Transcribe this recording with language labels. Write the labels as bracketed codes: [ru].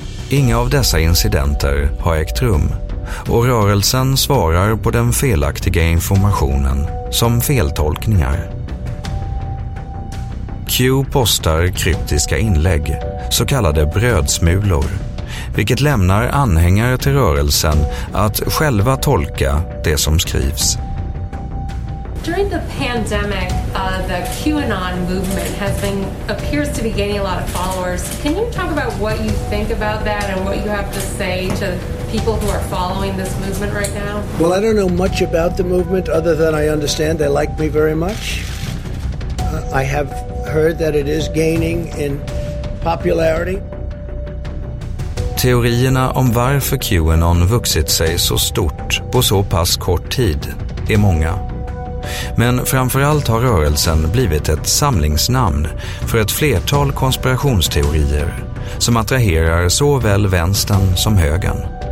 [sv] Inga av dessa incidenter har ägt rum, och rörelsen svarar på den felaktiga informationen som feltolkningar. Q postar kryptiska inlägg, så kallade brödsmulor, vilket lämnar anhängare till rörelsen att själva tolka det som skrivs. [en] During the pandemic, the QAnon movement appears to be gaining a lot of followers. Can you talk about what you think about that and what you have to say to people who are following this movement right now? Well, I don't know much about the movement other than I understand they like me very much. I have heard that it is gaining in popularity. [sv] Teorierna om varför QAnon vuxit sig så stort på så pass kort tid är många. Men framförallt har rörelsen blivit ett samlingsnamn för ett flertal konspirationsteorier som attraherar såväl vänstern som högern.